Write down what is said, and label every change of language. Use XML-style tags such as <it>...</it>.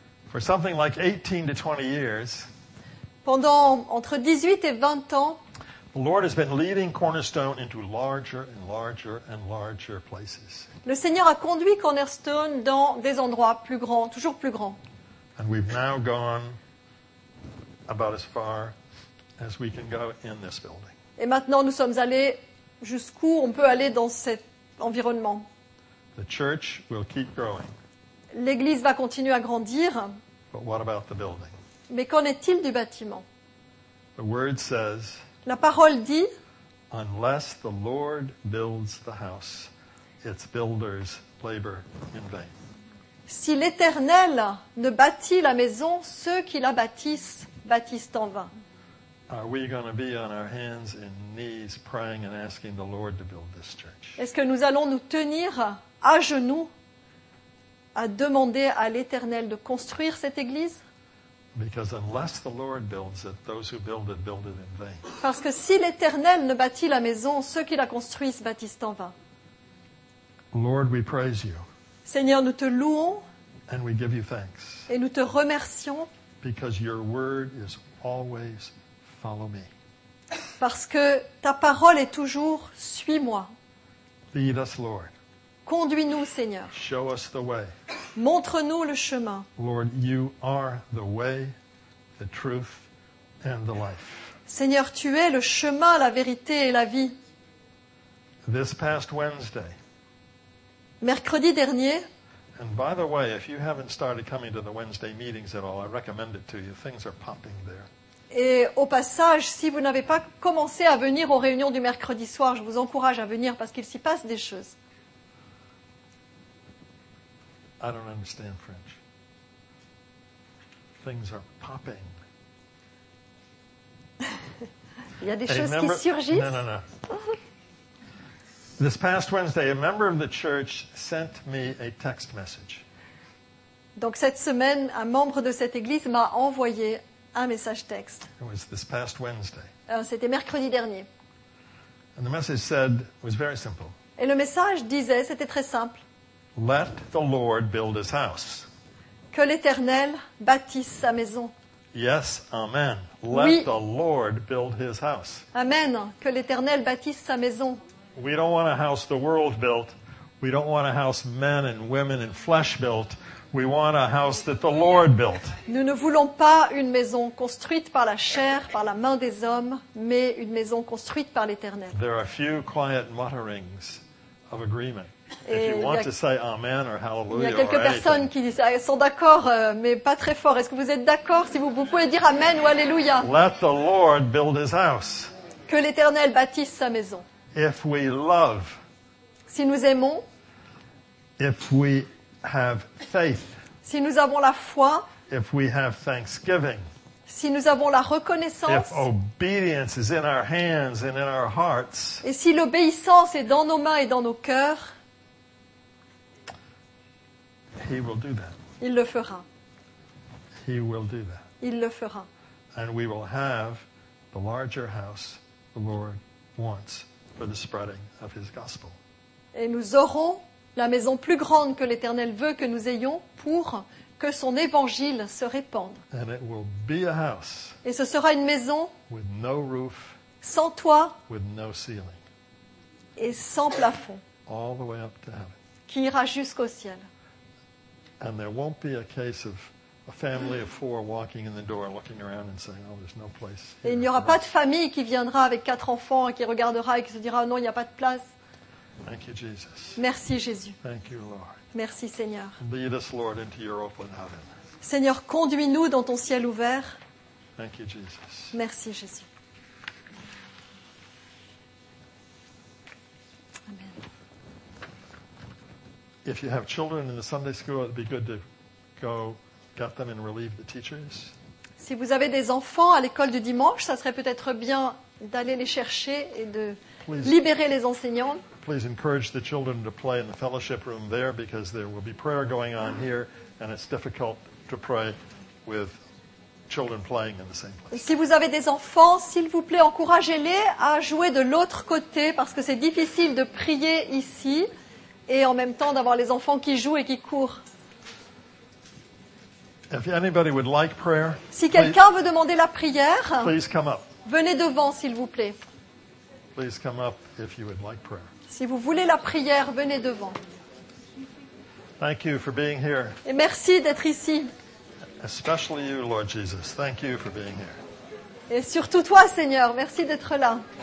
<en>For something like 18 to 20 years,</en> <fr>pendant entre 18 et 20 ans,</fr> <en>the Lord has been leading Cornerstone into larger and larger and larger places.</en> <fr>Le Seigneur a conduit Cornerstone dans des endroits plus grands, toujours plus grands.</fr> <en>And we've now gone about as far as we can go in this building.</en> <fr>Et maintenant nous sommes allés jusqu'où on peut aller dans cet environnement.</fr> <en>The church will keep growing.</en> <fr>L'église va continuer à grandir.</fr> <en>But what about the building?</en> <fr>Mais qu'en est-il du bâtiment?</fr> <en>The word says,</en> <fr>la parole dit,</fr> <en>unless the Lord builds the house, its builders labor in vain.</en> <fr>Si l'Éternel ne bâtit la maison, ceux qui la bâtissent, bâtissent en vain.</fr> <en>Are we going to be on our hands and knees praying and asking the Lord to build this church?</en> <fr>Est-ce que nous allons nous tenir à genoux à demander à l'Éternel de construire cette église?</fr> <en>Because unless the Lord builds it, those who build it in vain.</en> <fr>Parce que si l'Éternel ne bâtit la maison, ceux qui la construisent bâtissent en vain.</fr> <en>Lord, we praise you.</en> <fr>Seigneur, nous te louons.</fr> <en>And we give you thanks.</en> <fr>Et nous te remercions.</fr> <en>Because your word is always follow me.</en> <fr>Parce que ta parole est toujours suis-moi.</fr> <en>Lead us, Lord.</en> <fr>Conduis-nous, Seigneur.</fr> <en>Show us the way.</en> <fr>Montre-nous le chemin.</fr> <en>Lord, you are the way, the truth, and the life.</en> <fr>Seigneur, tu es le chemin, la vérité et la vie.</fr> <en>This past Wednesday.</en> <fr>Mercredi dernier.</fr> <en>And by the way, if you haven't started coming to the Wednesday meetings at all, I recommend it to you. Things are popping there.</en> <fr>Et au passage, si vous n'avez pas commencé à venir aux réunions du mercredi soir, je vous encourage à venir parce qu'il s'y passe des choses.</fr> <en>I don't understand French. Things are popping.</en> <fr>Il y a des choses qui surgissent.</fr> <en>No, no, no. This past Wednesday, a member of the church sent me a text message.</en> <fr>Donc cette semaine, un membre de cette église m'a envoyé un message texte.</fr> <en>It was this past Wednesday.</en> <fr>C'était mercredi dernier.</fr> <en>And the message said was very simple.</en> <fr>Et le message disait, c'était très simple.</fr> <en>Let the Lord build his house.</en> <fr>Que l'Éternel bâtisse sa maison.</fr> <en>Yes, amen. Let the Lord build his house. Amen.</en> <fr>Que l'Éternel bâtisse sa maison.</fr> <en>We don't want a house the world built. We don't want a house men and women in flesh built. We want a house that the Lord built.</en> <fr>Nous ne voulons pas une maison construite par la chair, par la main des hommes, mais une maison construite par l'Éternel.</fr> <en>There are a few quiet mutterings of agreement. If you want to say amen or hallelujah.</en> <fr>Il y a quelques personnes qui disent, sont d'accord, mais pas très fort. Est-ce que vous êtes d'accord si vous pouvez dire amen ou alléluia?</fr> <en>Let the Lord build his house.</en> <fr>Que l'Éternel bâtisse sa maison.</fr> <en>If we love.</en> <fr>Si nous aimons.</fr> <en>If we have faith.</en> <fr>Si nous avons la foi.</fr> <en>If we have thanksgiving.</en> <fr>Si nous avons la reconnaissance.</fr> <en>If obedience is in our hands and in our hearts.</en> <fr>Et si l'obéissance est dans nos mains et dans nos cœurs.</fr> <en>He will do that.</en> <fr>Il le fera.</fr> <en>He will do that.</en> <fr>Il le fera.</fr> <en>And we will have the larger house the Lord wants for the spreading of his gospel.</en> <fr>Et nous aurons la maison plus grande que l'Éternel veut que nous ayons pour que son évangile se répande.</fr> <en>And it will be a house.</en> <fr>Et ce sera une maison</fr> <en>with no roof,</en> <fr>sans toit,</fr> <en>with no ceiling.</en> <fr>Et sans plafond.</fr> <en>All the way up to heaven.</en> <fr>Qui ira jusqu'au ciel.</fr> <en>And there won't be a case of a family of four walking in the door looking around and saying, oh, there's no place.</en> <fr>Et il n'y aura pas de famille qui viendra avec quatre enfants et qui regardera et qui se dira, oh, non, il n'y a pas de place.</fr> <en>Thank you, Jesus.</en> <fr>Merci, Jésus.</fr> <en>Thank you, Lord.</en> <fr>Merci, Seigneur.</fr> <en>Lead us, Lord, into your open heaven.</en> <fr>Seigneur, conduis-nous dans ton ciel ouvert.</fr> <en>Thank you, Jesus.</en> <fr>Merci, Jésus.</fr> <en>If you have children in the Sunday school, it'd be good to go get them and relieve the teachers.</en> <fr>Si vous avez des enfants à l'école du dimanche, ça serait peut-être bien d'aller les chercher et de libérer les enseignants.</fr> <en>Please encourage the children to play in the fellowship room there because there will be prayer going on here and it's difficult to pray with children playing in the same place.</en> <fr>Si vous avez des enfants, s'il vous plaît, encouragez-les à jouer de l'autre côté parce que c'est difficile de prier ici. Et en même temps, d'avoir les enfants qui jouent et qui courent.</fr> <en>If anybody would like prayer,</en> <fr>si quelqu'un veut demander la prière,</fr> <en>please come up.</en> <fr>Venez devant, s'il vous plaît.</fr> <en>Please come up if you would like prayer.</en> <fr>Si vous voulez la prière, venez devant.</fr> <en>Thank you for being here.</en> <fr>Et merci d'être ici.</fr> <en>Especially you, Lord Jesus. Thank you for being here.</en> <fr>Et surtout toi, Seigneur, merci d'être là.</fr>